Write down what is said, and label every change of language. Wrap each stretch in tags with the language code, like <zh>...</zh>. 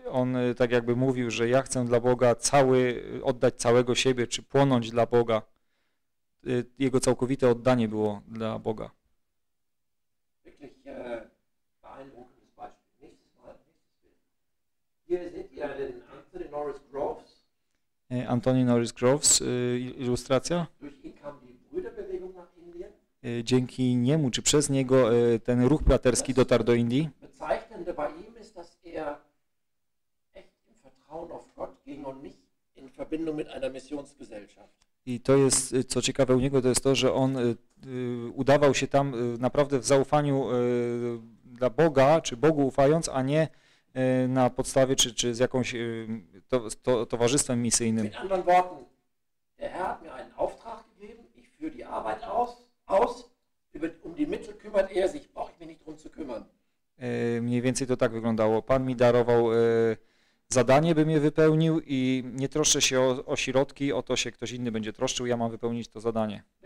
<pl>On tak jakby mówił, że ja chcę dla Boga oddać całego siebie, czy płonąć dla Boga. Jego całkowite oddanie było dla Boga.</pl> <de>Wirklich beeindruckendes Beispiel. Nächstes Mal. Hier seht ihr den Anthony Norris Groves.</de> <pl>Anthony Norris Groves, ilustracja.</pl> <de>Durch ihn kam die Brüderbewegung nach Indien.</de> <pl>Dzięki niemu, czy przez niego, ten ruch braterski dotarł do Indii.</pl> <de>Bezeichnende bei ihm ist, dass er echt im Vertrauen auf Gott ging und nicht in Verbindung mit einer Missionsgesellschaft.</de> <pl>I to jest, co ciekawe u niego, to jest to, że on udawał się tam naprawdę w zaufaniu dla Boga, czy Bogu ufając, a nie na podstawie, czy z jakąś towarzystwem misyjnym.</pl> <de>Mit anderen Worten, der Herr hat mir einen Auftrag gegeben, ich führe die Arbeit aus, um die Mittel kümmert er sich, brauche ich mich nicht drum zu kümmern.</de> <pl>Mniej więcej to tak wyglądało. Pan mi darował zadanie, bym je wypełnił i nie troszczę się o środki, o to się ktoś inny będzie troszczył, ja mam wypełnić to zadanie.</pl>